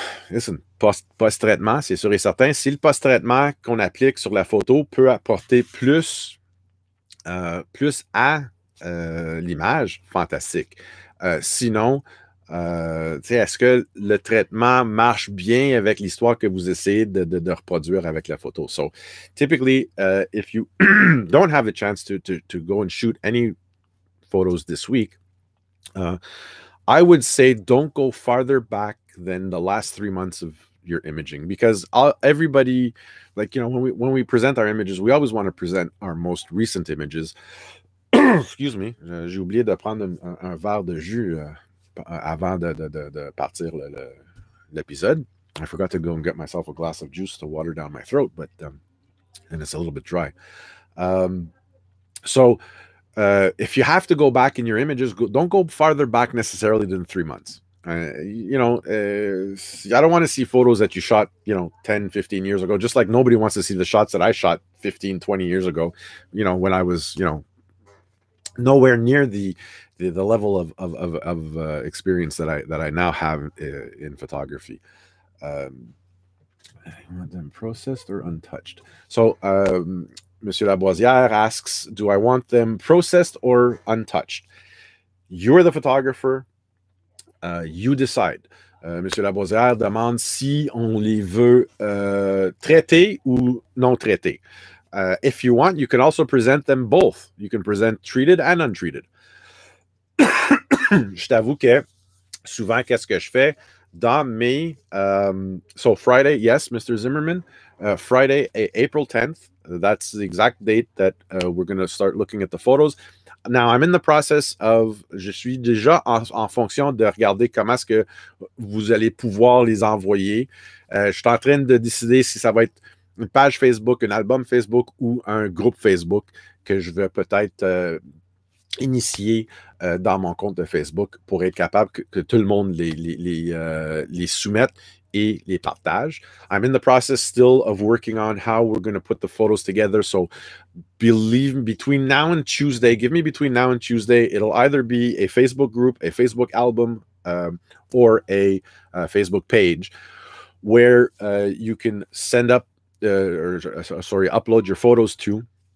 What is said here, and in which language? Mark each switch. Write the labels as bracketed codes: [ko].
[en] Listen, [fr] post-traitement, c'est sûr et certain. Si le post-traitement qu'on applique sur la photo peut apporter plus à l'image, fantastique. Sinon, est-ce que le traitement marche bien avec l'histoire que vous essayez de reproduire avec la photo? [en] So, typically, if you don't have a chance to go and shoot any photos this week, I would say don't go farther back than the last 3 months of your imaging, because everybody, like, you know, when we present our images, we always want to present our most recent images. Excuse me, [fr] j'ai oublié de prendre un verre de jus avant de partir l'épisode. [en] I forgot to go and get myself a glass of juice to water down my throat, but and it's a little bit dry. If you have to go back in your images, don't go farther back necessarily than 3 months. I don't want to see photos that you shot, you know, 10, 15 years ago, just like nobody wants to see the shots that I shot 15, 20 years ago, you know, when I was, you know, nowhere near the level of experience that I now have in photography. I want them processed or untouched. So, Monsieur Laboisière asks, do I want them processed or untouched? You're the photographer. You decide. [fr] Monsieur Laboisière demande si on les veut traiter ou non traiter. [en] If you want, you can also present them both. You can present treated and untreated. [fr] Je t'avoue que souvent, qu'est-ce que je fais? Dans mes... [en] So Friday, yes, Mr. Zimmerman. Friday, April 10th. That's the exact date that we're going to start looking at the photos. Now, I'm in the process of, [fr] je suis déjà en fonction de regarder comment est-ce que vous allez pouvoir les envoyer. Je suis en train de décider si ça va être une page Facebook, un album Facebook ou un groupe Facebook que je vais peut-être initier dans mon compte de Facebook pour être capable que tout le monde les soumette et les partage. [en] I'm in the process still of working on how we're going to put the photos together. So, believe me, between now and Tuesday, give me between now and Tuesday, it'll either be a Facebook group, a Facebook album, or a Facebook page where you can send up, upload your photos to.